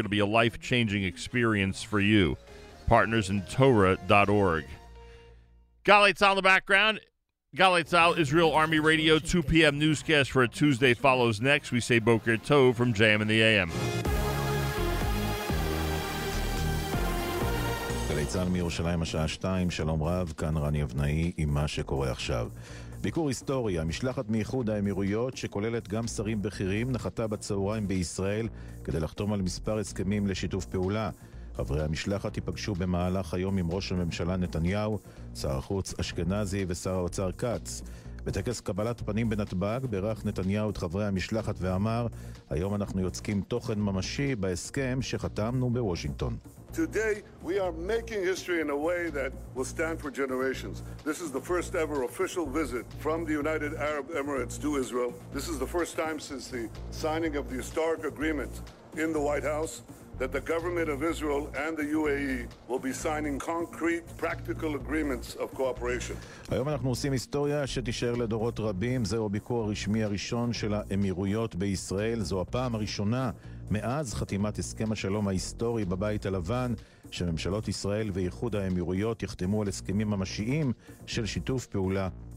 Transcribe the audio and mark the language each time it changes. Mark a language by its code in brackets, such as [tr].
[en] It'll be a life-changing experience for you. partnersintorah.org. Galei Tzahal in the background. Galei Tzahal, Israel Army Radio, 2 p.m. newscast for a Tuesday follows next. We say [he] Boker Tov [en] from JM in the AM. [he] Galei Tzahal מירושלים, השעה 2, שלום רב, כאן רני אבנאי עם מה שקורה עכשיו. ביקור היסטוריה, משלחת מייחוד האמירויות שכוללת גם שרים בכירים, נחתה בצהריים בישראל כדי לחתום על מספר הסכמים לשיתוף פעולה. חברי המשלחת ייפגשו במהלך היום עם ראש הממשלה נתניהו, שר החוץ אשכנזי ושר האוצר קץ. בטקס קבלת פנים בנתב"ג בירך נתניהו את חברי המשלחת ואמר, היום אנחנו יוצקים תוכן ממשי בהסכם שחתמנו בוושינגטון. [en] Today we are making history in a way that will stand for generations. This is the first ever official visit from the United Arab Emirates to Israel. This is the first time since the signing of the historic agreement in the White House that the government of Israel and the UAE will be signing concrete practical agreements of cooperation. [he] היום אנחנו עושים היסטוריה שתישאר לדורות רבים. זהו הביקור הרשמי הראשון של האמירויות בישראל. זו הפעם הראשונה מאז חתימת הסכם השלום ההיסטורי בבית הלבן, שממשלות ישראל ואיחוד האמירויות יחתמו על הסכמים ממשיים של שיתוף פעולה.